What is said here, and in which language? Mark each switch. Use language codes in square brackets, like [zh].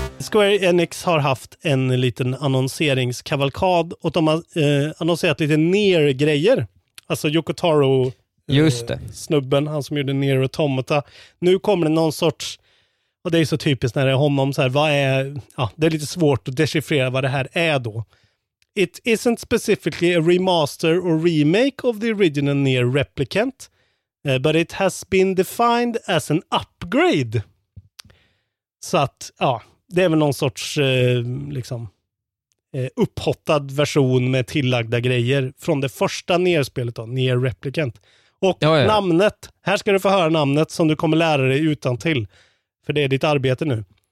[sv] Square Enix har haft en liten annonseringskavalkad och de har annonserat lite Nier-grejer. Alltså Yoko Taro, just det. Snubben, han som gjorde Nier Automata. Nu kommer det någon sorts, och det är så typiskt när det är honom, så här, vad är, ja, det är lite svårt att dechiffrera vad det här är då. [en] It isn't specifically a remaster or remake of the original Nier Replicant, but it has been defined as an upgrade. [sv] Så att, ja, det är väl någon sorts liksom upphottad version med tillagda grejer från det första Nier-spelet då, Nier Replicant. Och ja, ja. Namnet, här ska du få höra namnet som du kommer lära dig utan till, för det är ditt arbete nu.